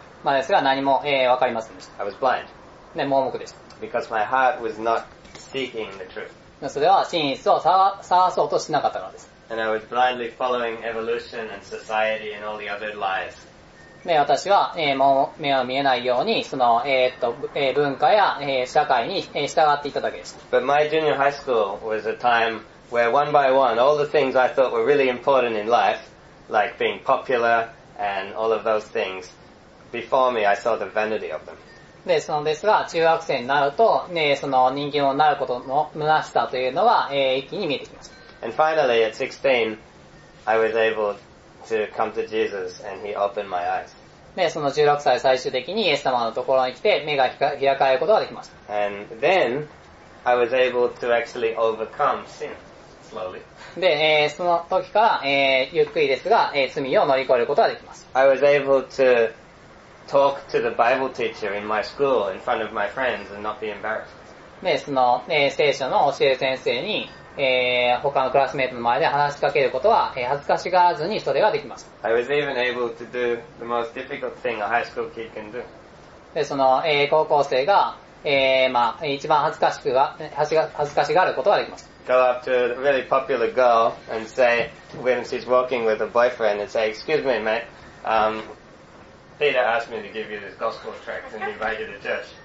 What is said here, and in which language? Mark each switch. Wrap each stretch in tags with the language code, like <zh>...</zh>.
<ja>まあ、ですが何も、わかりませんでした。</ja> <en>I was blind.</en> <ja>ね、盲目でした。</ja> <en>Because my heart was not seeking the truth.</en> <ja>それは真実を探そうとしなかったからです。</ja> <en>And I was blindly following evolution and society and all the other lies.</en> <ja>ね、私は、もう目は見えないように、その、文化や、社会に、従っていただけでした。</ja> <en>But my junior high school was a time where one by one, all the things I thought were really important in life, like being popular and all of those things, before me I saw the vanity of them.</en> <ja>で、そのですが、中学生になると、ね、その人間になることの虚しさというのは、一気に見えてきました。</ja> <en>And finally, at 16, I was able to come to Jesus and he opened my eyes.</en> <ja>で、その16歳最終的にイエス様のところに来て、目が開かれることができました。</ja> <en>And then, I was able to actually overcome sin, slowly.</en> <ja>で、その時から、ゆっくりですが、罪を乗り越えることができます。</ja> <en>I was able to... talk to the Bible teacher in my school in front of my friends and not be embarrassed.</en> <ja>で、その、聖書の教える先生に、他のクラスメートの前で話しかけることは、恥ずかしがらずにそれができました。</ja> <en>I was even able to do the most difficult thing a high school kid can do.</en> <ja>で、その、高校生が、まあ、一番恥ずかしがることができます。</ja> <en>Go up to a really popular girl and say, when she's walking with a boyfriend, and say, excuse me, mate, Peter asked me to give you this gospel tract and invite you to church.</en>